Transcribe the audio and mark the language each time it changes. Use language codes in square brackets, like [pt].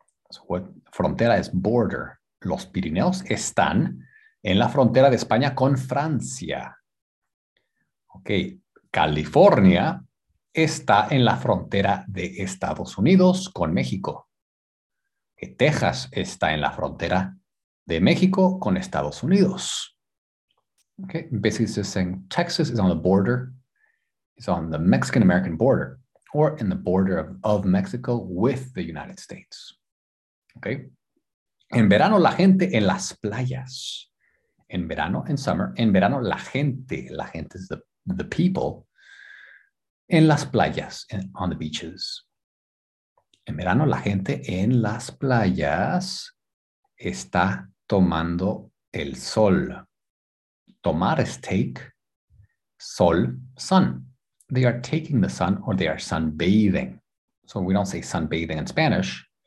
[en] So what, [es] frontera es border. Los Pirineos están en la frontera de España con Francia. Ok, California está en la frontera de Estados Unidos con México. Texas está en la frontera de México con Estados Unidos. [en] Okay, basically it's just saying Texas is on the border, it's on the Mexican-American border, or in the border of Mexico with the United States. [es] Okay. En verano la gente en las playas. En verano, [en] in summer, [es] en verano la gente [en] is the people, [es] en las playas, [en] on the beaches. [es] En verano la gente en las playas está tomando el sol. Tomar es take, sol, sun. [en] They are taking the sun or they are sunbathing. So we don't say sunbathing in Spanish.